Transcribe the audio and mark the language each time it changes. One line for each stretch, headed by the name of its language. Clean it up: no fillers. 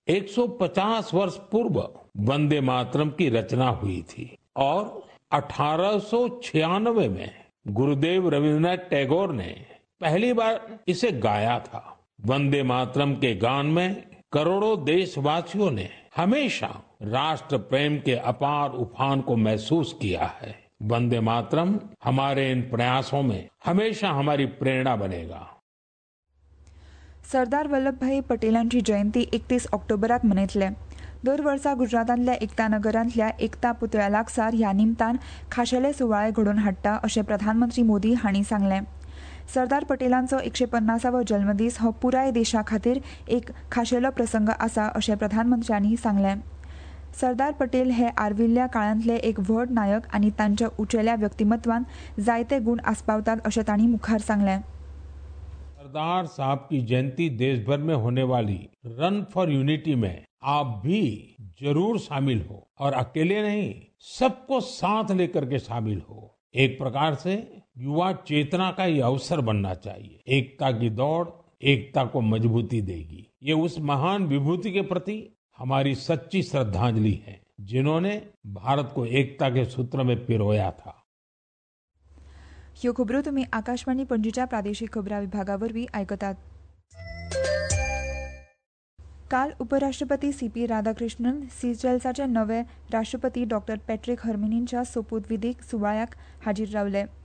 Hindi: 150 वर्ष पूर्व वंदे मातरम की रचना हुई थी और 1896 में गुरुदेव रविन्द्रनाथ टैगोर ने पहली बार इसे गाया था. वंदे मातरम के गान में करोड़ों देशवासियों ने हमेशा राष्ट्र प्रेम के अपार उफान को महसूस किया है. वंदे मातरम हमारे इन प्रयासों में हमेशा हमारी प्रेरणा बनेगा.
Konkani: सरदार वल्लभभाई पटेलांची जयंती 31 ऑक्टोबराक मनयतले. दर वर्सा गुजरातांतल्या एकता नगरांतल्या एकता पुतळ्या लागसार ह्या निमतान खाशेले सुवाळे घडोवन हाडटा अशें प्रधानमंत्री मोदी हांणी सांगलें. सरदार पटेलांचो 150वो जल्मदीस हो पुराय देशा खातीर एक खाशेलो प्रसंग आसा अशें प्रधानमंत्र्यांनी सांगलें. सरदार पटेल हे आर्विल्ल्या काळांतले एक व्हड नायक आनी तांच्या उचेल्या व्यक्तिमत्वान जायते गूण आस्पावतात अशें तांणी मुखार सांगलें.
Hindi: सरदार साहब की जयंती देश भर में होने वाली रन फॉर यूनिटी में आप भी जरूर शामिल हो और अकेले नहीं सबको साथ लेकर के शामिल हो. एक प्रकार से युवा चेतना का ये अवसर बनना चाहिए. एकता की दौड़ एकता को मजबूती देगी. ये उस महान विभूति के प्रति हमारी सच्ची श्रद्धांजलि है जिन्होंने भारत को एकता के सूत्र में पिरोया था.
Konkani: ह्यो खबरो तुम्ही आकाशवाणी पणजीच्या प्रादेशिक खबरां विभागावरवी ऐकतात. काल उपराष्ट्रपती सीपी राधाकृष्णन सिचेल्साचे नवे राष्ट्रपती डॉ पॅट्रिक हर्मिनींच्या सोपुतविधीक सुवाळ्याक हाजीर रावले.